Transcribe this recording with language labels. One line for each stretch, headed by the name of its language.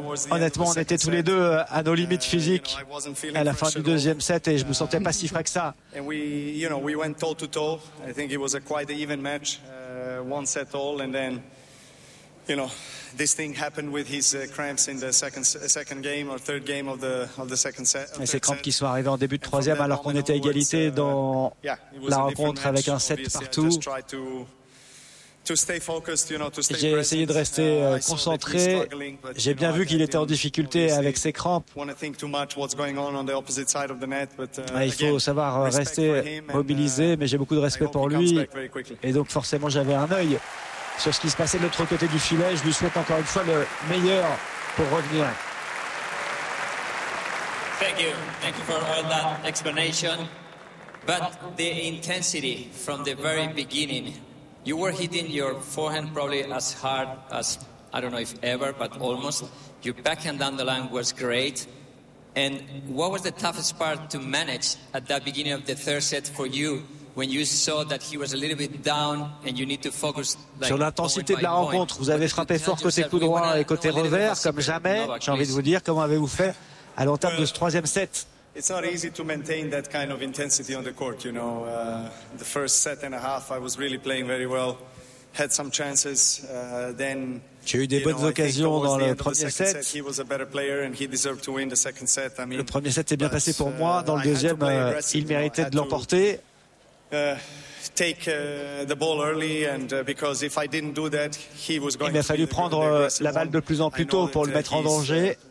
French: Honnêtement, on était tous les deux à nos limites physiques à la fin du deuxième set et je me sentais pas si frais que ça.
English: And we, you know, we went toe to toe. I think it was a quite even match, one set all, and then, you know, this thing happened with his cramps in the second game or third game of the second set.
French: Et ces crampes qui sont arrivées en début de troisième alors qu'on était à égalité dans la rencontre avec un set partout. J'ai essayé de rester concentré. J'ai bien vu qu'il était en difficulté avec ses crampes. Il faut savoir rester mobilisé, mais j'ai beaucoup de respect pour lui. Et donc forcément, j'avais un œil sur ce qui se passait de l'autre côté du filet. Je lui souhaite encore une fois le meilleur pour revenir.
English: Thank you. Thank you for all that explanation. But the intensity from the very beginning. You were hitting your forehand probably as hard as, I don't know if ever, but almost. Your backhand down the line was great. And what was the toughest part to manage at that beginning of the third set for you when you saw that he was a little bit down and you need to focus?
French: Like, sur l'intensité de la rencontre, vous avez frappé fort côté coup droit et côté revers, comme jamais. J'ai envie de vous dire, comment avez-vous fait à l'entame de ce troisième set?
English: It's not easy to maintain that kind of intensity on the court, you know. The first set and a half, I was really playing very well. Had some chances. Then,
French: j'ai eu des bonnes occasions dans le premier set.
English: He was a better player and he deserved to win the second set. I mean,
French: le premier set s'est bien passé pour moi. Dans le deuxième, il méritait de l'emporter.
English: take the ball early, and because if I didn't do that, he was going.
French: Il m'a fallu prendre la balle de plus en plus tôt pour le mettre en danger.